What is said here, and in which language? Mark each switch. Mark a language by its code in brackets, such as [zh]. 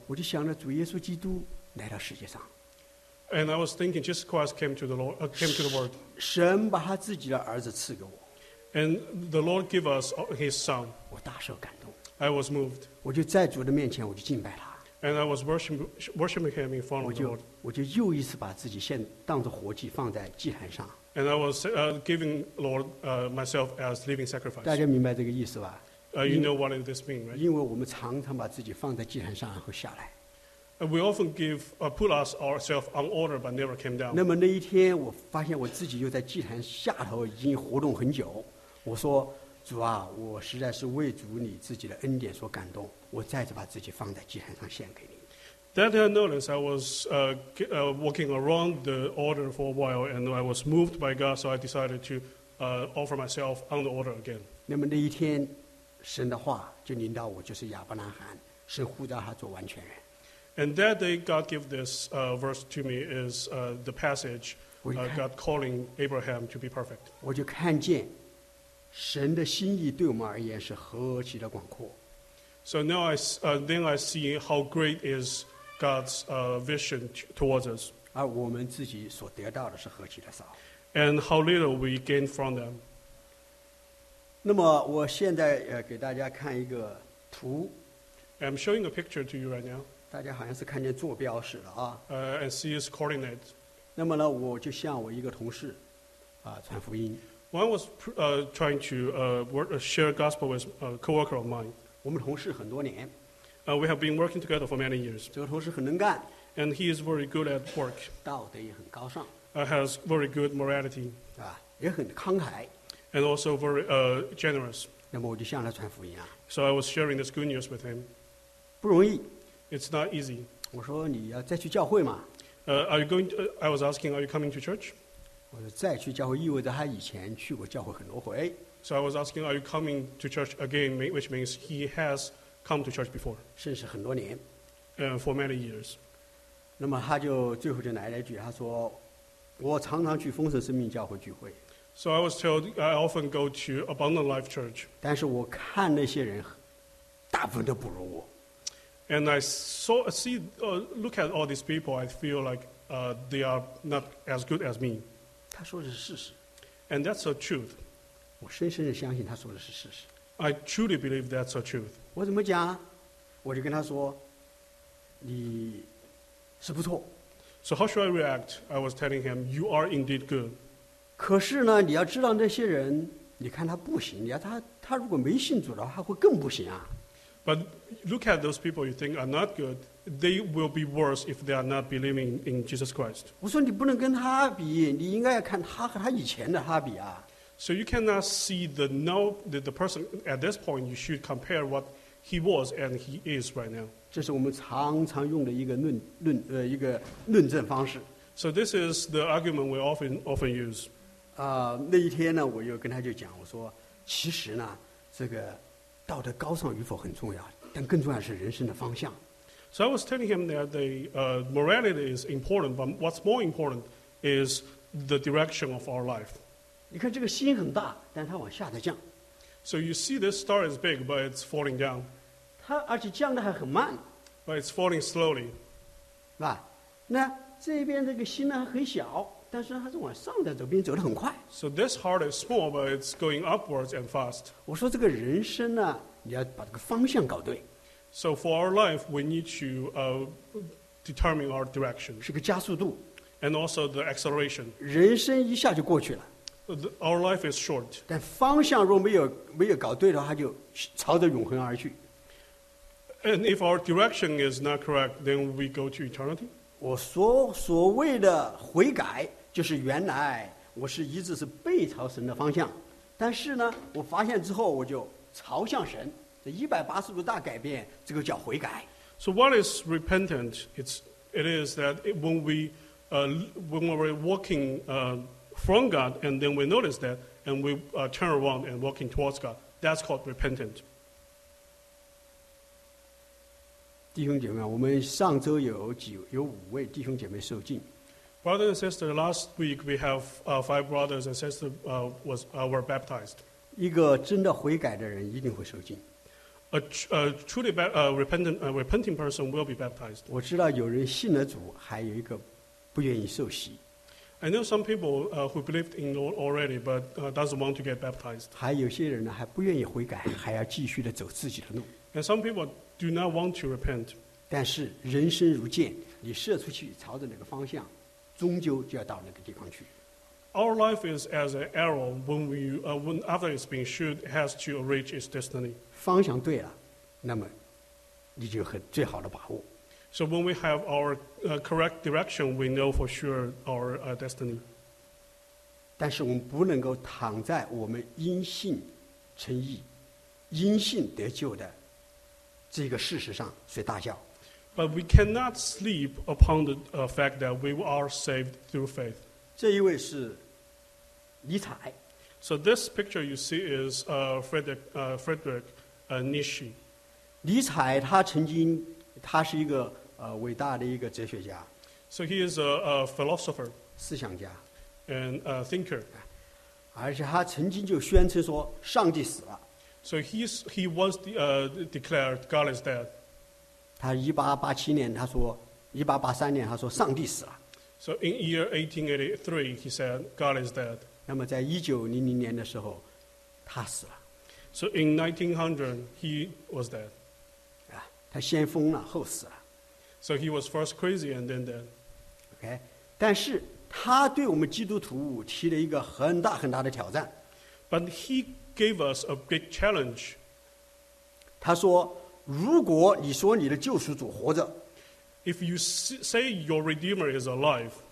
[zh] 我就想着主耶稣基督来到世界上。 [en] And I was thinking Jesus Christ came to the Lord, came to the world. [zh] 神把他自己的儿子赐给我。 [en] And the Lord gave us His Son. [zh] 我大受感动。 [en] I was moved. [zh] 我就在主的面前，我就敬拜他。 [en] And I was worshiping Him in front of the Lord. [zh] 我就又一次把自己献当作活祭放在祭坛上。 [en] And I was giving Lord myself as living sacrifice. [zh] 大家明白这个意思吧？ [en] You know what this means, right? [zh] 因为我们常常把自己放在祭坛上，然后下来。 [en] We often give put us ourselves on order, but never came down. [zh] 那么那一天，我发现我自己又在祭坛下头已经活动很久。我说：“主啊，我实在是为主你自己的恩典所感动，我再次把自己放在祭坛上献给你。” [en] That I noticed, I was walking around the altar for a while, and I was moved by God, so I decided to offer myself on the altar again. [zh] 那么那一天，神的话就临到我，就是亚伯拉罕，神呼召他做完全人。 [en] And that day God gave this verse to me is the passage God calling Abraham to be perfect. [zh] 我就看见神的心意对我们而言是何其的广阔。 [en] So now I see how great is God's vision towards us. [zh] 而我们自己所得到的是何其的少。 [en] And how little we gain from them. [zh] 那么我现在给大家看一个图。 [en] I'm showing a picture to you right now. [zh] 大家好像是看见坐标式了啊。 [en] And see its coordinates. [zh] 那么呢，我就向我一个同事，传福音。 [en] When I was trying to share gospel with a coworker of mine. [zh] 我们同事很多年。 [en] We have been working together for many years. [zh] 这个同事很能干。 [en] And he is very good at work. [zh] 道德也很高尚。 [en] Has very good morality. [zh] 啊，也很慷慨。 [en] And also very generous. [zh] 那么我就向他传福音啊。 [en] So I was sharing this good news with him. [zh] 不容易。 [en] It's not easy. [zh] 我说你要再去教会吗？ [en] I was asking, are you coming to church? [zh] 我说再去教会意味着他以前去过教会很多回。 [en] So I was asking, are you coming to church again? Which means he has come to church before. [zh] 甚至很多年。 [en] For many years. [zh] 那么他就最后就来了一句，他说，我常常去丰盛生命教会聚会。 [en] So I was told I often go to Abundant Life Church. [zh] 但是我看那些人，大部分都不如我。 [en] And I saw, see, look at all these people. I feel like they are not as good as me. [zh] 他说的是事实。 [en] And that's a truth. [zh] 我深深地相信他说的是事实。 [en] I truly believe that's a truth. [zh] 我怎么讲？我就跟他说，你是不错。 [en] So how should I react? I was telling him, you are indeed good. [zh] 可是呢，你要知道那些人，你看他不行。你要他如果没信主的话，他会更不行啊。 [en] But look at those people you think are not good. They will be worse if they are not believing in Jesus Christ. [zh] 我说你不能跟他比，你应该要看他和他以前的他比啊。 [en] So you cannot see the now the person at this point. You should compare what he was and he is right now. [zh] 这是我们常常用的一个一个论证方式。 [en] So this is the argument we often use. [zh] 那一天呢，我又跟他就讲，我说其实呢，这个。道德高尚与否很重要，但更重要是人生的方向。 [en] So I was telling him that the morality is important, but what's more important is the direction of our life. [zh] 你看这个心很大，但它往下的降。 [en] So you see this star is big, but it's falling down. [zh] 它而且降得还很慢。 [en] But it's falling slowly. [zh] 是吧？那这边这个心呢很小，但是它是往上的走，并走得很快。 [en] So this heart is small, but it's going upwards and fast. [zh] 我说这个人生呢，你要把这个方向搞对。 [en] So for our life, we need to determine our direction. [zh] 是个加速度。 [en] And also the acceleration. [zh] 人生一下就过去了。 [en] Our life is short. [zh] 但方向若没有搞对的话，就朝着永恒而去。 [en] And if our direction is not correct, then we go to eternity. [zh] 我说所谓的悔改，就是原来我是一直是背朝神的方向，但是呢，我发现之后我就朝向神，这180度大改变，这个叫悔改。 [en] So what is repentant? It is that when we're walking from God and then we notice that and we turn around and walking towards God, that's called repentant. [zh] 弟兄姐妹，我们上周有五位弟兄姐妹受浸。 [en] Brother and sister, last week we have five brothers and sisters were baptized. [zh] 一个真的悔改的人一定会受浸。 [en] A truly repenting person will be baptized. [zh] 我知道有人信了主，还有一个不愿意受洗。 [en] I know some people who believed in Lord already, but doesn't want to get baptized. [zh] 还有些人呢，还不愿意悔改，还要继续的走自己的路。 [en] And some people do not want to repent. [zh] 但是人生如箭，你射出去朝着哪个方向，终究就要到那个地方去。 [en] Our life is as an arrow. When after it's been shot, has to reach its destiny. [zh] 方向对了，那么你就很最好的把握。 [en] So when we have our correct direction, we know for sure our destiny. [zh] 但是我们不能够躺在我们因信称义、因信得救的这个事实上睡大觉。 [en] But we cannot sleep upon the fact that we are saved through faith. [zh] 这一位是尼采。 [en] So this picture you see is Friedrich Nietzsche. [zh] 尼采他曾经他是一个伟大的一个哲学家。 [en] So he is a philosopher. [zh] 思想家。 [en] And a thinker. [zh] 而且他曾经就宣称说上帝死了。 [en] So he was declared God is dead. [zh] 他1887年他说1883年他说上帝死了。 [en] So in year 1883, he said, God is dead. [zh] 那么在1900年的时候他死了。 [en] So in 1900, he was dead. [zh] 啊，他先疯了，后死了。 [en] So he was first crazy and then dead. Okay. [zh] 但是他对我们基督徒提了一个很大很大的挑战。 [en] But he gave us a big challenge. [zh] 他说，如果你说你的救赎主活着， [en] If you say your Redeemer is alive,